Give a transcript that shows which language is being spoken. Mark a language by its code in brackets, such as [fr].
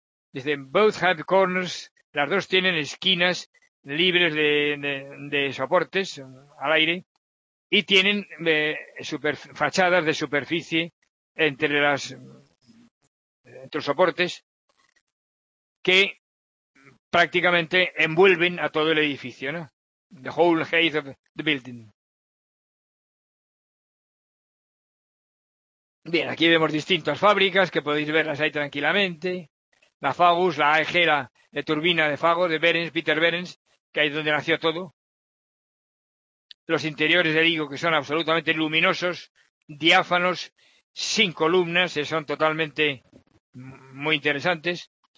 [es] Dice, [en] both have corners, [es] las dos tienen esquinas libres de soportes al aire y tienen fachadas de superficie entre los soportes que prácticamente envuelven a todo el edificio, ¿no? [en] The whole height of the building. [es] Bien, aquí vemos distintas fábricas, que podéis verlas ahí tranquilamente. La Fagus, la AEG, la de turbina de Fagus, de Behrens, Peter Behrens, que ahí es donde nació todo. Los interiores, le digo, que son absolutamente luminosos, diáfanos, sin columnas, que son totalmente muy interesantes.